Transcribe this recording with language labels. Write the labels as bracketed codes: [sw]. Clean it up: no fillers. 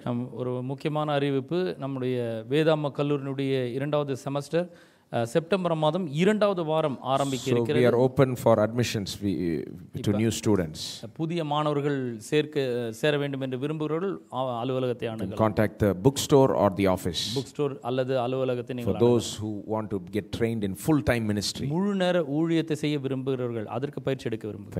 [ta] நம் ஒரு முக்கியமான அறிவிப்பு, நம்முடைய வேதாம்ப கல்லூரியினுடைய இரண்டாவது செமஸ்டர் செப்டம்பர் மாதம் இரண்டாவது வாரம் ஆரம்பிக்க இருக்கிறது. [en] So we are open for admissions to new students. [ta] புதிய மாணவர்கள் சேர வேண்டும் என்று விரும்புகிறவர்கள் அலுவலகத்தை அணுகலாம். [en] Contact the bookstore or the office. [ta] Bookstore அல்லது அலுவலகத்தை நீங்கள் அணுகலாம். [en] For those who want to get trained in full time ministry. [ta] முழு நேர ஊழியத்தை செய்ய விரும்புகிறவர்கள் அதற்கு பயிற்சி எடுக்க விரும்புகிறேன்.